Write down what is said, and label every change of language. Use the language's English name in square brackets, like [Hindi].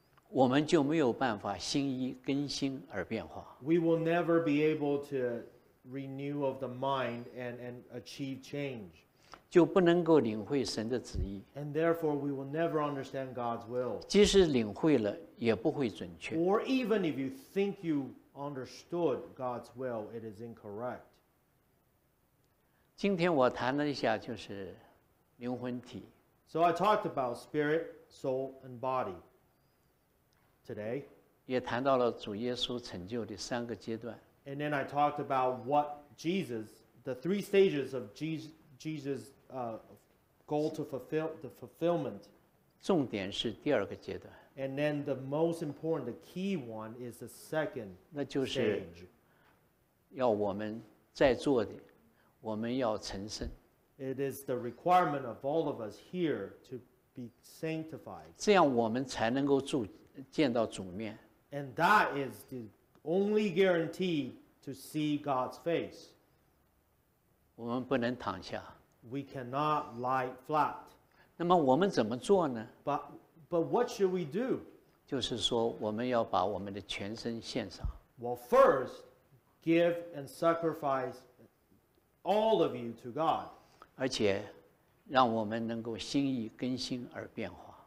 [Chinese] 我们就没有办法心意更新而变化。 [English] We will never be able to. Renew of the mind and achieve change. [Chinese] 就不能够领会神的旨意。 [English] And therefore, we will never understand God's will. [Chinese] 即使领会了，也不会准确。 [English] Or even if you think you understood God's will, it is incorrect. [Chinese] 今天我谈了一下，就是灵魂体。 [English] So I talked about spirit, soul, and body. Today, [Chinese] 也谈到了主耶稣成就的三个阶段。 [English] And then I talked about what Jesus, the three stages of Jesus' goal to fulfill, the fulfillment. [Chinese] 重点是第二个阶段。 [English] And then the most important, the key one, is the second stage. [Chinese] 那就是要我们在座的，我们要成圣。 [English] It is the requirement of all of us here to be sanctified. [Chinese] 这样我们才能够见到主面。 [English] And that is the... Only guarantee to see God's face. [Chinese] 我们不能躺下。 [English] We cannot lie flat. [Chinese] 那么我们怎么做呢？ [English] But what should we do? [Chinese] 就是说我们要把我们的全身献上。 [English] Well, first, give and sacrifice all of you to God. [Chinese] 而且让我们能够心意更新而变化。